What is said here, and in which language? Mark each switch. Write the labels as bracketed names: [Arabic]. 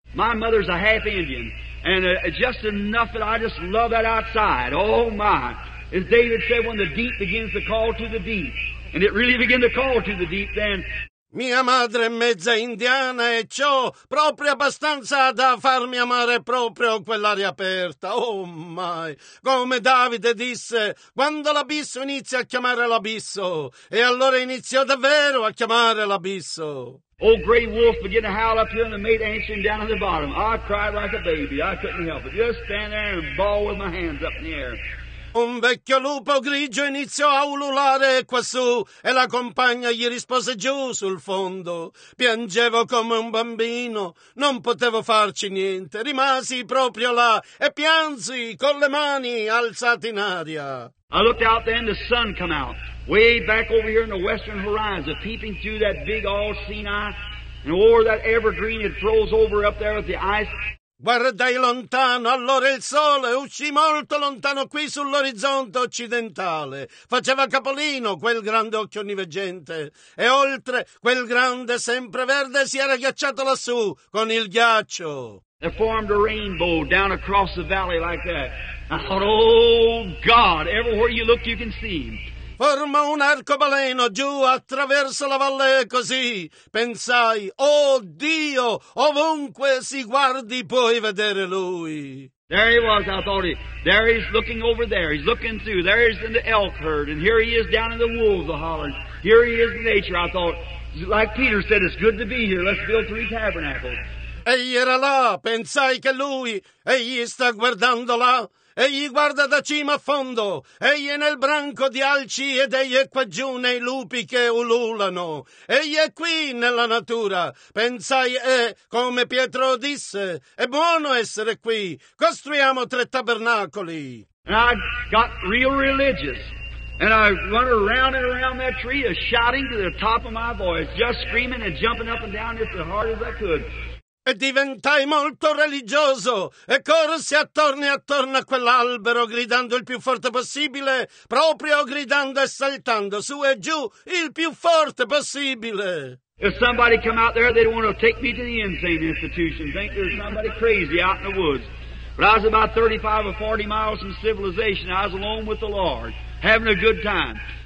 [English] My mother's a half Indian and just enough that I just love that outside. Oh my, as David said, when the deep begins to call to the deep. And it really began to call to the deep then. [Italian] Mia madre è mezza indiana e ciò proprio abbastanza da farmi amare proprio quell'aria aperta. [English] Oh my! [Italian] Come Davide disse, quando l'abisso inizia a chiamare l'abisso, e allora iniziò davvero a chiamare l'abisso. [English] Old gray wolf began to howl up here and the mate answering down at the bottom. I cried like a baby. I couldn't help it. Just stand there and ball with my hands up in the air. [Italian] Un vecchio lupo grigio iniziò a ululare quassù e la compagna gli rispose giù sul fondo. Piangevo come un bambino, non potevo farci niente. Rimasi proprio là e piansi con le mani alzate in aria. [English] I looked out there and the sun come out, way back over here in the western horizon, peeping through that big old Sinai and over that evergreen that throws over up there with the ice. [Italian] Guardai lontano, allora il sole uscì molto lontano qui sull'orizzonte occidentale. Faceva capolino quel grande occhio onniveggente. E oltre quel grande sempreverde si era ghiacciato lassù con il ghiaccio. [English] It formed a rainbow down across the valley like that. I thought, oh God, everywhere you look you can see him. [Italian] Forma un arcobaleno giù attraverso la valle così. Pensai, oh Dio, ovunque si guardi puoi vedere lui. [English] There he was, I thought he. There he's looking over there. He's looking through. There he's in the elk herd. And here he is down in the wolves a-hollering. Here he is in nature. I thought, like Peter said, it's good to be here. Let's build three tabernacles. [Italian] Egli era là. Pensai che lui, egli sta guardando là. Egli guarda da cima a fondo, egli è nel branco di alci ed egli è qua giù nei lupi che ululano. Egli è qui nella natura. Pensai, come Pietro disse, è buono essere qui. Costruiamo tre tabernacoli. [English] And I got real religious. And I run around and around that tree, shouting to the top of my voice, just screaming and jumping up and down just as hard as I could. [Italian] E diventai molto religioso e corsi attorno e attorno a quell'albero gridando il più forte possibile, proprio gridando e saltando su e giù il più forte possibile. [English] If somebody come out there, they'd want to take me to the insane institution. Think there's somebody crazy out in the woods. But I was about 35 or 40 miles from civilization. I was alone with the Lord, having a good time.